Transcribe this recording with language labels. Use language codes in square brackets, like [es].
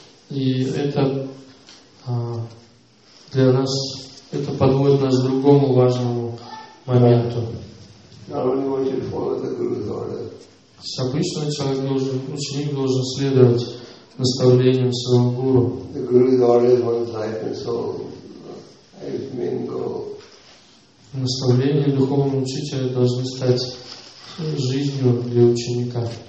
[ru] И это для нас, это подводит нас к другому важному моменту. С обычным человек должен, ученик должен следовать наставлением своего гуру. [en] The guru is always one's life and soul. His main goal. [ru] Наставление духовного учителя должно стать жизнью для ученика.